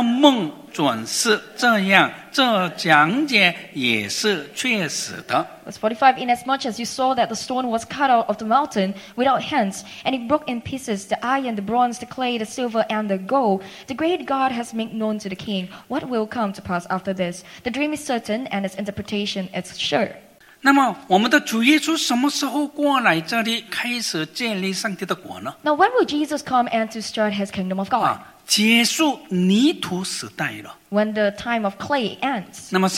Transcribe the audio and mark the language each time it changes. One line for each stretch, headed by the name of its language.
Chinese: 你既看见非人手找出来的一块石头从山而出，打碎金银铜铁你子民，那就是自大的神后来必有的事给王子民。这梦准是这样。这讲解也是确实的。
English: Verse 45, inasmuch as you saw that the stone was cut out of the mountain without hands, and it broke in pieces the iron, the bronze, the clay, the silver, and the gold, the great God has made known to the king what will come to pass after this. The dream is certain, and its interpretation is sure.
Chinese: 那么我们的主耶稣什么时候过来这里开始建立上帝的国呢？
English: Now when will Jesus come and to start his kingdom of God?
Chinese: 结束泥土时代了。
English: When the time of clay ends.